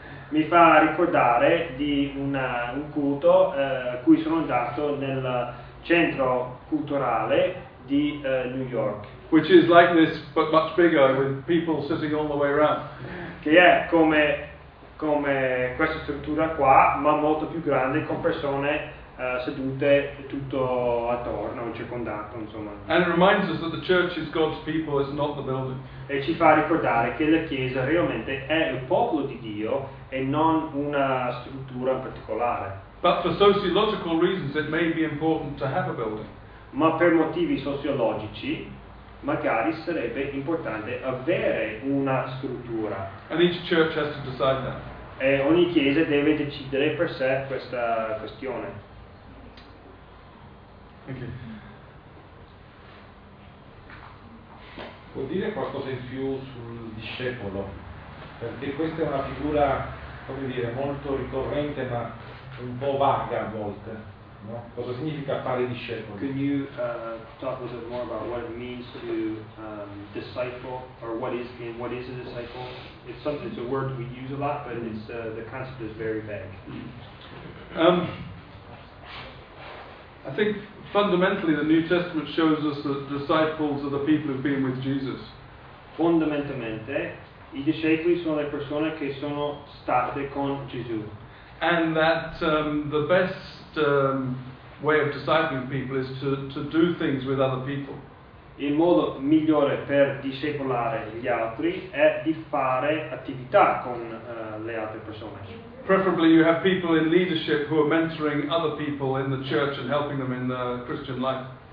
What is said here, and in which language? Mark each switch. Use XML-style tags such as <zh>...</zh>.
<it>Mi fa ricordare di un culto cui sono andato nel centro culturale di New York.</it> <en>Which is like this, but much bigger, with people sitting all the way around.</en> <it>Che è come questa struttura qua, ma molto più grande, con persone sedute tutto attorno, circondato, insomma.</it> <en>And it reminds us that the church is God's people, it's not the building.</en> <it>E ci fa ricordare che la Chiesa realmente è il popolo di Dio e non una struttura in particolare.</it> <en>But for sociological reasons it may be important to have a building.</en> <it>Ma per motivi sociologici magari sarebbe importante avere una struttura.</it> <en>And each church has to decide that.</en> <it>E ogni chiesa deve decidere per sé questa questione. Okay. Vuol dire qualcosa in più sul discepolo? Perché questa è una figura, come dire, molto ricorrente ma un po' vaga a volte. No? Cosa significa fare discepoli?</it> <en>Can you talk a little bit more about what it means to disciple, or what is a disciple? It's something, it's a word we use a lot, but it's the concept is very vague. I think fundamentally the New Testament shows us that disciples are the people who've been with Jesus.</en> <it>Fondamentalmente, i discepoli sono le persone che sono state con Gesù.</it> <en>And that the best way of discipling people is to do things with other people.</en> <it>Il modo migliore per discepolare gli altri è di fare attività con le altre persone.</it> <en>Preferably you have people in leadership who are mentoring other people in the church and helping them in the Christian life.</en>